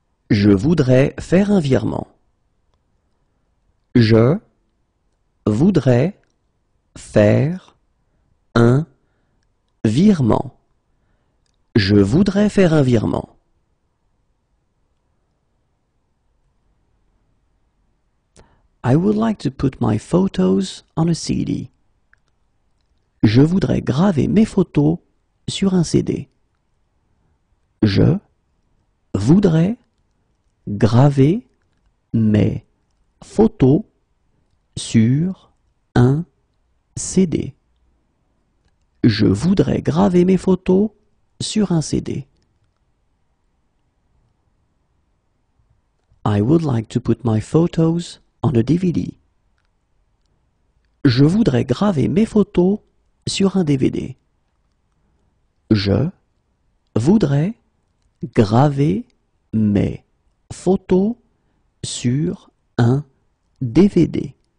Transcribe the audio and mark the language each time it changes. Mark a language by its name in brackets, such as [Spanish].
[French] Je voudrais faire un virement. Je voudrais faire un virement. Je voudrais faire un virement. [English] I would like to put my photos on a CD. [French] Je voudrais graver mes photos sur un CD. Je voudrais graver mes photos sur un CD. Je voudrais graver mes photos sur un CD. [English] I would like to put my photos on a DVD. [French] Je voudrais graver mes photos sur un DVD. Je voudrais graver mes photos sur un DVD.